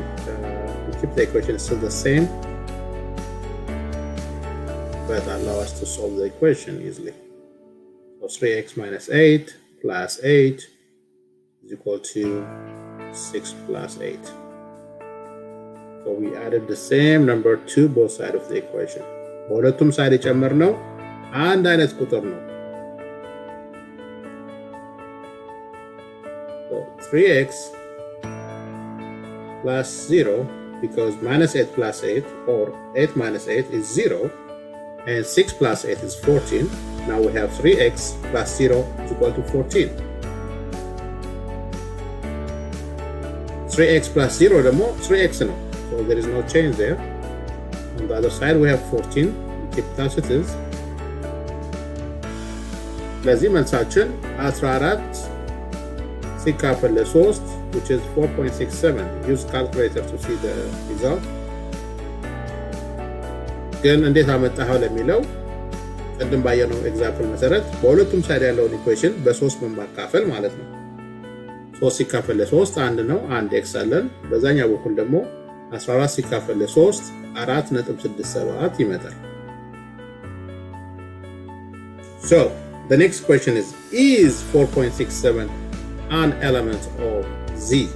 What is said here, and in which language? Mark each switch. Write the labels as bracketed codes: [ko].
[en] We keep the equation still the same, but that allows us to solve the equation easily. So 3x minus 8 plus 8 is equal to 6 plus 8. So we added the same number to both sides of the equation. [am] ሁለቱም ሳይድ ይጨመር ነው አንድ አይነት ቁጥር ነው. [en] 3x plus 0, because minus 8 plus 8, or 8 minus 8 is 0, and 6 plus 8 is 14. Now we have 3x plus 0 is equal to 14. 3x plus 0 the more 3x and all. So there is no change there. On the other side we have 14. We keep it as it is. [am] ለዚህ መልሳችን 14 ሲካፈል ለ3 which is 4.67. [en] Use calculator to see the result. [am] ግን እንዴት አመጣኸው ለሚለው ቀደም ባየነው example መሰረት በሁለቱም ሳይድ ያለው equation በ3 መማካፈል ማለት ነው። 3 ሲካፈል ለ3 1 ነው 1 x አለን። በዛኛው በኩል ደግሞ 14 ሲካፈል ለ3 4.67 ይመጣል። [en] So the next question is 4.67 an element of z?